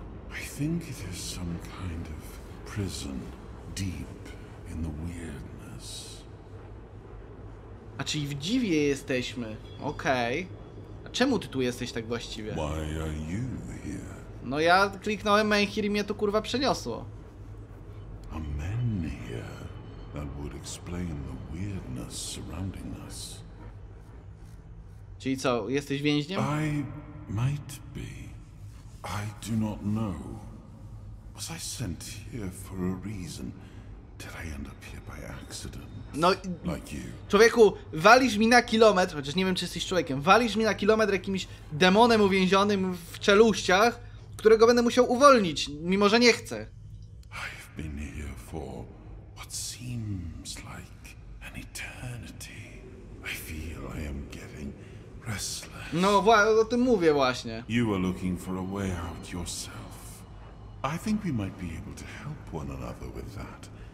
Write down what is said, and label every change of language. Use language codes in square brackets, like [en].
[en] I think it is some kind of prison deep in the weird. [pl] A czyli w dziwie jesteśmy. Okej. [en] Okay. [pl] A czemu ty tu jesteś tak właściwie? [en] Why are you here? [pl] No ja kliknąłem Menhir i mnie to kurwa przeniosło. [en] A men here that would explain the weirdness surrounding us. [pl] Czyli co, jesteś więźniem? [en] I might be. I do not know. Was I sent here for a reason? Did I end up here by accident? No, like you. [pl] Człowieku, walisz mi na kilometr, chociaż nie wiem, czy jesteś człowiekiem, walisz mi na kilometr jakimś demonem uwięzionym w czeluściach, którego będę musiał uwolnić, mimo że nie chcę. [en] I've been here for what seems like an eternity. I feel I am getting restless. [pl] No, o tym mówię właśnie. [en] You are looking for a way out yourself. I think we might be able to help one another with that.